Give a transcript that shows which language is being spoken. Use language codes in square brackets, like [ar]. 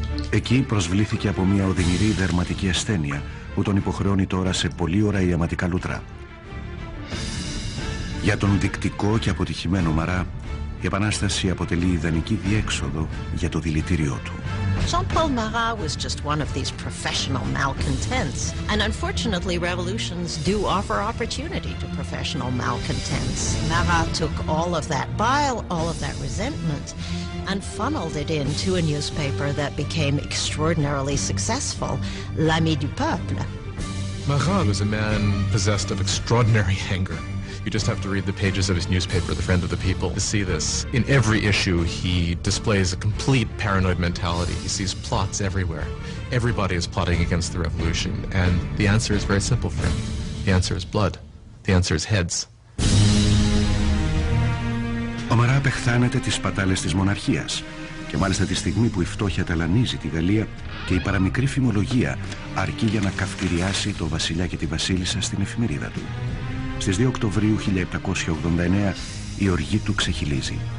[el] Εκεί προσβλήθηκε από μια οδυνηρή δερματική ασθένεια που τον υποχρεώνει τώρα σε πολύωρα ιαματικά λουτρά. Για τον δεικτικό και αποτυχημένο Μαρά, η Επανάσταση αποτελεί ιδανική διέξοδο για το δηλητήριό του. [en] Jean-Paul Marat was just one of these professional malcontents. And unfortunately, revolutions do offer opportunity to professional malcontents. Marat took all of that bile, all of that resentment, and funneled it into a newspaper that became extraordinarily successful, L'Ami du Peuple. Marat was a man possessed of extraordinary anger. You just have to read the pages of his newspaper, The Friend of the People, to see this. In every issue, he displays a complete paranoid mentality. He sees plots everywhere. Everybody is plotting against the revolution, and the answer is very simple for him. The answer is blood. The answer is heads. [el] Ο Μαρά απεχθάνεται τις σπατάλες της μοναρχίας και μάλιστα τη στιγμή που η φτώχεια ταλανίζει τη Γαλλία και η παραμικρή φημολογία αρκεί για να καυτηριάσει το βασιλιά και τη βασίλισσα στην εφημερίδα του. Στις 2 Οκτωβρίου 1789 η οργή του ξεχυλίζει.